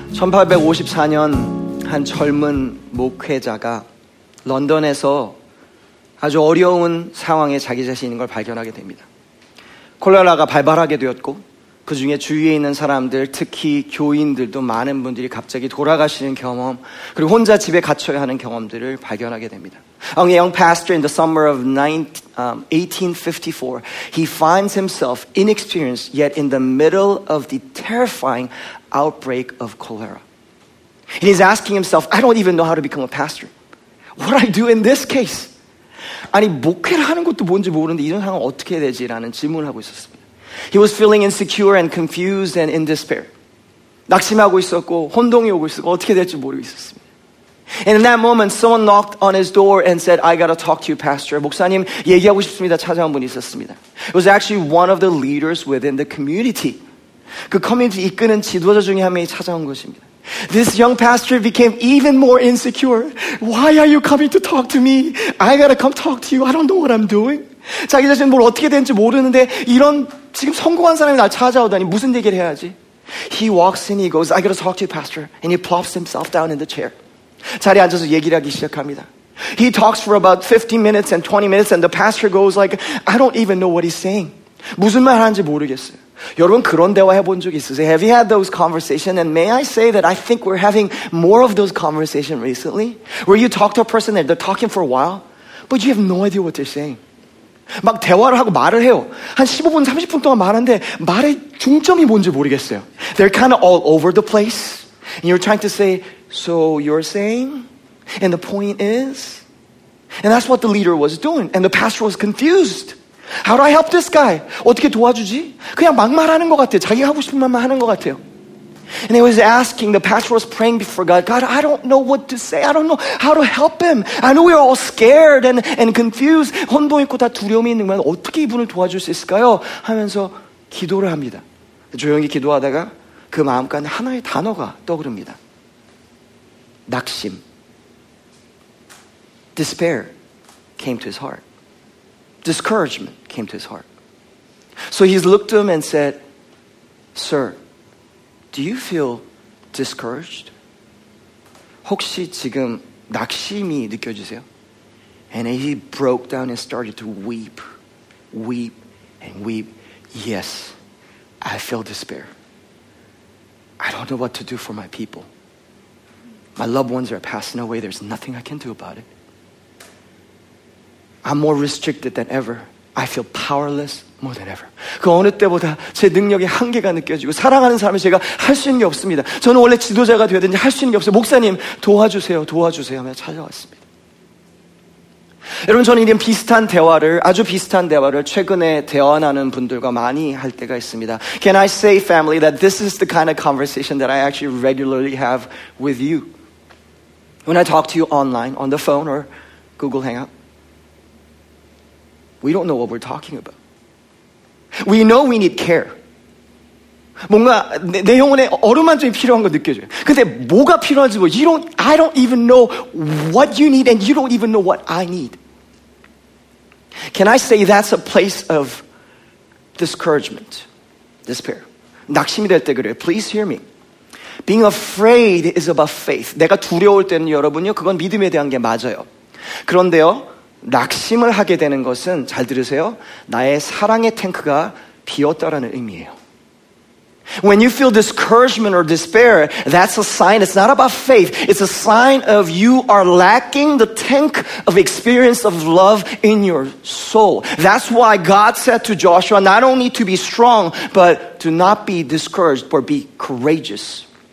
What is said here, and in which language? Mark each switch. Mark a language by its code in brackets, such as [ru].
[ko] 1854년 한 젊은 목회자가 런던에서 아주 어려운 상황에 자기 자신인 걸 발견하게 됩니다. 콜레라가 발발하게 되었고 그 중에 주위에 있는 사람들, 특히 교인들도 많은 분들이 갑자기 돌아가시는 경험, 그리고 혼자 집에 갇혀야 하는 경험들을 발견하게 됩니다. [en] On a young pastor in the summer of 1854, he finds himself inexperienced yet in the middle of the terrifying outbreak of cholera. And he's asking himself, I don't even know how to become a pastor. What do I do in this case? [ko] 아니, 목회를 하는 것도 뭔지 모르는데 이런 상황 어떻게 해야 되지? 라는 질문을 하고 있었습니다. [en] He was feeling insecure and confused and in despair. [ko] 낙심하고 있었고 혼동이 오고 있었고 어떻게 해야 될지 모르고 있었습니다. [en] And in that moment, someone knocked on his door and said, I gotta talk to you, pastor. [ko] 목사님, 얘기하고 싶습니다. 찾아온 분이 있었습니다. [en] It was actually one of the leaders within the community. [ko] 그 커뮤니티 이끄는 지도자 중에 한 명이 찾아온 것입니다. [en] This young pastor became even more insecure. Why are you coming to talk to me? I gotta come talk to you. I don't know what I'm doing. [ko] 자기 자신은 뭘 어떻게 되는지 모르는데 이런 지금 성공한 사람이 날 찾아오다니 무슨 얘기를 해야지? [en] He walks in, he goes, I gotta talk to you, pastor. And he plops himself down in the chair. [ko] 자리에 앉아서 얘기를 하기 시작합니다. [en] He talks for about 15 minutes and 20 minutes and the pastor goes like, I don't even know what he's saying. [ko] 무슨 말 하는지 모르겠어요. 여러분 그런 대화 해본 적 있으세요? [en] Have you had those conversations? And may I say that I think we're having more of those conversations recently? Where you talk to a person and they're talking for a while, but you have no idea what they're saying. [ko] 막 대화를 하고 말을 해요. 한 15분, 30분 동안 말하는데 말의 중점이 뭔지 모르겠어요. [en] They're kind of all over the place. And you're trying to say, So you're saying, and the point is, and that's what the leader was doing, and the pastor was confused. How do I help this guy? [ko] 어떻게 도와주지? 그냥 막말하는 것 같아요. 자기가 하고 싶은 말만 하는 것 같아요. [en] And he was asking, the pastor was praying before God, God, I don't know what to say. I don't know how to help him. I know we're all scared and confused. [ko] 혼돈 있고 다 두려움이 있는 건 어떻게 이분을 도와줄 수 있을까요? 하면서 기도를 합니다. 조용히 기도하다가 그 마음 가운데 하나의 단어가 떠오릅니다. 낙심. [en] Despair came to his heart. Discouragement came to his heart. So he looked to him and said, Sir, do you feel discouraged? [ko] 혹시 지금 낙심이 느껴지세요? [en] And he broke down and started to weep, weep and weep. Yes, I feel despair. I don't know what to do for my people. My loved ones are passing away. There's nothing I can do about it. I'm more restricted than ever. I feel powerless more than ever. [ko] 그 어느 때보다 제 능력의 한계가 느껴지고 사랑하는 사람이 제가 할 수 있는 게 없습니다. 저는 원래 지도자가 되어야 되는데 할 수 있는 게 없어요. 목사님 도와주세요. 도와주세요. 하며 찾아왔습니다. 여러분 저는 이런 비슷한 대화를 아주 비슷한 대화를 최근에 대화하는 분들과 많이 할 때가 있습니다. [en] Can I say family that this is the kind of conversation that I actually regularly have with you? When I talk to you online, on the phone, or Google Hangout, we don't know what we're talking about. We know we need care. [ko] 뭔가 내 영혼에 어루만져이 필요한 거 느껴져요. 근데 뭐가 필요한지 뭐, [en] I don't even know what you need, and you don't even know what I need. Can I say that's a place of discouragement, despair? [ko] 낙심이 될 때 그래요. [en] Please hear me. Being afraid is about faith. [ko] 내가 두려울 때는 여러분요, 그건 믿음에 대한 게 맞아요. 그런데요, 낙심을 하게 되는 것은, 잘 들으세요, 나의 사랑의 탱크가 비었다라는 의미예요. [en] When you feel discouragement or despair, that's a sign. It's not about faith. It's a sign of you are lacking the tank of experience of love in your soul. That's why God said to Joshua, not only to be strong, but to not be discouraged, but be courageous.